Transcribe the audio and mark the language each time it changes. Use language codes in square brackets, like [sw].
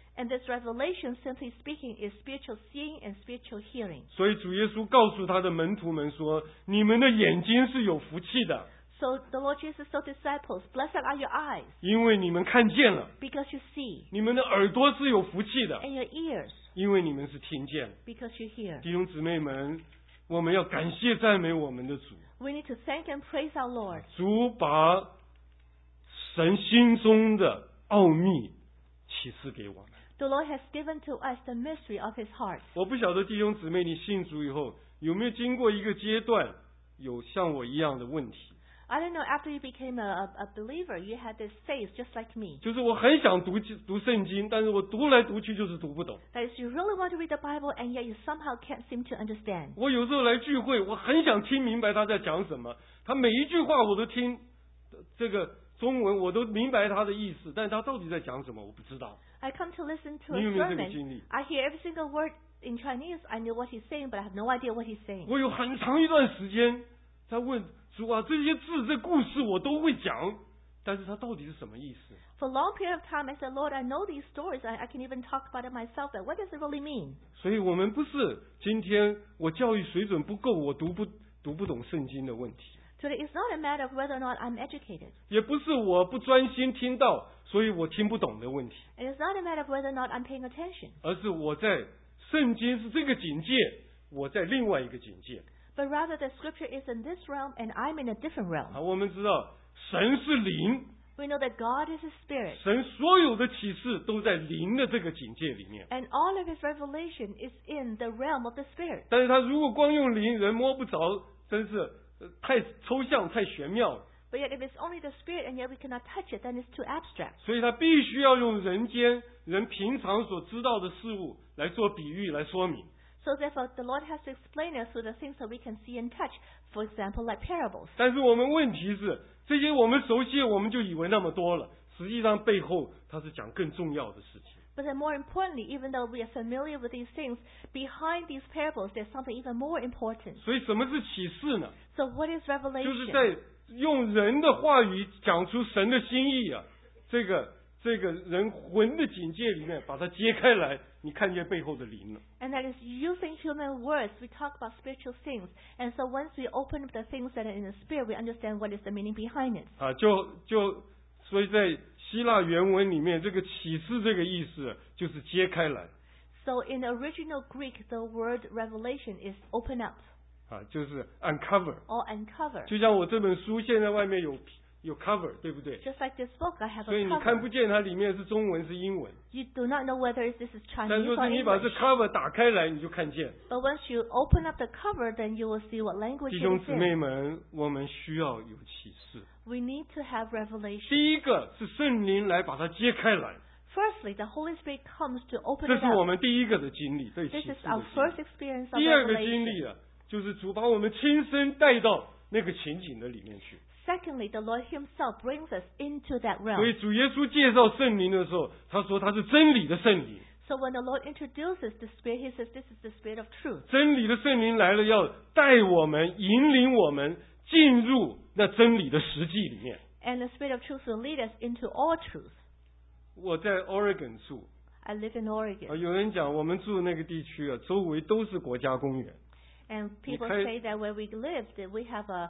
[en] And this revelation, simply speaking, is spiritual seeing and spiritual hearing. [zh] 所以主耶稣告诉他的门徒们说，你们的眼睛是有福气的。 [en] So the Lord Jesus told disciples, blessed are your eyes. [zh] 因为你们看见了。 [en] Because you see. [zh] 你们的耳朵是有福气的。 [en] And your ears. [zh] 因为你们是听见。 [en] Because you hear. [zh] 弟兄姊妹们，我们要感谢赞美我们的主。 [en] We need to thank and praise our Lord. [zh] 主把神心中的奥秘启示给我们。 [en] The Lord has given to us the mystery of His heart. [zh] 我不晓得弟兄姊妹，你信主以后有没有经过一个阶段，有像我一样的问题。 [en] I don't know. After you became a believer, you had this phase just like me. [zh] 就是我很想读圣经，但是我读来读去就是读不懂。 [en] That is, you really want to read the Bible, and yet you somehow can't seem to understand. [zh] 我有时候来聚会，我很想听明白他在讲什么，他每一句话我都听，这个中文我都明白他的意思，但是他到底在讲什么，我不知道。 [en] I come to listen to a sermon. [zh] 你有没有这个经历？ [en] I hear every single word in Chinese. I know what he's saying, but I have no idea what he's saying. [zh] 我有很长一段时间在问主啊，这些字、这故事我都会讲，但是它到底是什么意思？ [en] For a long period of time, I said, Lord, I know these stories. I can even talk about it myself. But what does it really mean? [zh] 所以我们不是今天我教育水准不够，我读不懂圣经的问题。 [en] Today it's not a matter of whether or not I'm educated. [zh] 也不是我不专心听道，所以我听不懂的问题。 [en] It's not a matter of whether or not I'm paying attention. [zh] 而是我在圣经是这个境界，我在另外一个境界。 [en] But rather the scripture is in this realm and I'm in a different realm. [zh] 我们知道神是灵。 [en] We know that God is a spirit. [zh] 神所有的启示都在灵的这个境界里面。 [en] And all of His revelation is in the realm of the spirit. [zh] 但是他如果光用灵，人摸不着，真是太抽象，太玄妙了。 [en] But yet, if it's only the spirit and yet we cannot touch it, then it's too abstract. [zh] 所以他必须要用人间人平常所知道的事物来做比喻来说明。 [en] So therefore, the Lord has to explain us through the things that we can see and touch, for example, like parables. [zh] 但是我们问题是，这些我们熟悉，我们就以为那么多了。实际上，背后他是讲更重要的事情。 [en] But then more importantly, even though we are familiar with these things, behind these parables, there's something even more important. [zh] 所以什么是启示呢？ [en] So what is revelation? [zh] 就是在用人的话语讲出神的心意啊，这个人魂的警戒里面把它揭开来，你看见背后的灵了。 [en] And that is using human words, we talk about spiritual things. And so once we open up the things that are in the spirit, we understand what is the meaning behind it. [zh] 啊，就所以在希腊原文里面，这个启示这个意思就是揭开来。 [en] So in the original Greek, the word revelation is open up. [zh] 啊，就是 uncover. [en] Or uncover. [zh] 就像我这本书现在外面有 cover， 对不对？ [en] Just like this book, I have a cover. [zh] 所以你看不见它里面是中文是英文。 [en] You do not know whether this is Chinese or English. [zh] 但若是你把这 cover 打开来，你就看见。 [en] But once you open up the cover, then you will see what language it is. [zh] 弟兄姊妹们，我们需要有启示。 [en] We need to have revelation. [zh] 第一个是圣灵来把它揭开来。 [en] Firstly, the Holy Spirit comes to open it up. [zh] 这是我们第一个的经历，对启示的经历。 [en] This is our first experience of revelation. [zh] 第二个经历啊，就是主把我们亲身带到那个情景的里面去。 [en] Secondly, the Lord Himself brings us into that realm. [zh] 所以主耶稣介绍圣灵的时候，他说他是真理的圣灵。 [en] So when the Lord introduces the Spirit, He says this is the Spirit of truth. [zh] 真理的圣灵来了，要带我们、引领我们进入那真理的实际里面。 [en] And the Spirit of truth will lead us into all truth. [zh] 我在 Oregon 住。 [en] I live in Oregon. [zh] 有人讲我们住的那个地区啊，周围都是国家公园。 [en] And people say that where we live, that we have